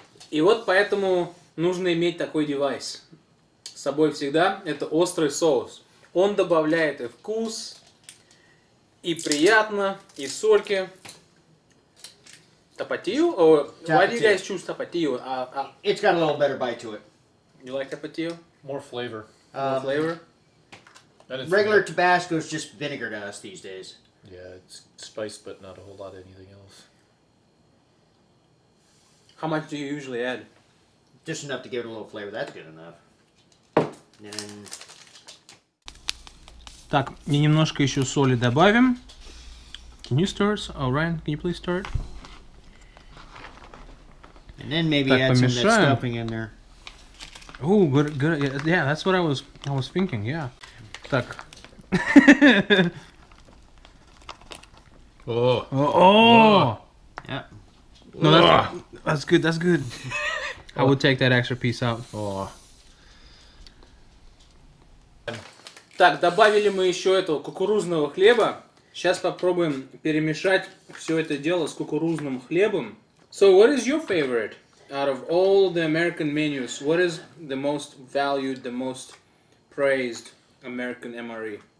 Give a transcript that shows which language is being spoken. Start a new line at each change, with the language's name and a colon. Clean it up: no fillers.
Russian: И вот поэтому нужно иметь такой девайс с собой всегда. Это острый соус. Он добавляет и вкус, и приятно, и сольки.
English: Tapatio? Or why do you guys choose tapatio? It's got a little better bite to it. You like tapatio? More flavor. More flavor? Regular Tabasco is just vinegar to us these days. Yeah, it's spiced, but not a whole lot of anything else. How much do you usually add? Just enough to give it a little flavor. That's good enough. Then...
Russian: Так, и немножко еще соли добавим.
English: Can you start? Oh, Ryan, can you please start? And then maybe так, add помешаем. Some of that stuffing in there. Ooh, good. Yeah, that's what I was thinking, yeah. Так. Oh. Yeah. No, that's good. I would take that extra piece out.
Russian: Так, добавили мы еще этого кукурузного хлеба. Сейчас попробуем перемешать все это дело с кукурузным хлебом.
English: So, what is your favorite out of all the American menus? What is the most valued, the most praised American MRE?